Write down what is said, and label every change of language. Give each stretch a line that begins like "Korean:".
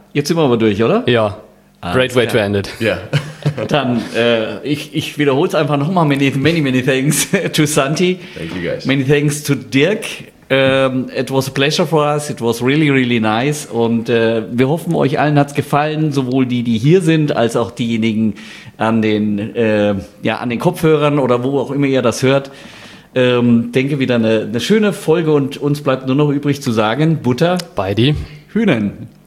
German: Jetzt sind wir aber durch, oder?
English: Yeah. Great way to end it. Yeah.
German: Dann, ich wiederhole es einfach nochmal.
English: Many, many, many thanks to Santi. Thank you, guys. Many thanks to Dirk. It was a pleasure for us. It was really, really nice.
German: Und wir hoffen, euch allen hat es gefallen, sowohl die hier sind, als auch diejenigen an den Kopfhörern oder wo auch immer ihr das hört. Denke, wieder eine schöne Folge. Und uns bleibt nur noch übrig zu sagen, Butter bei die Hühnen.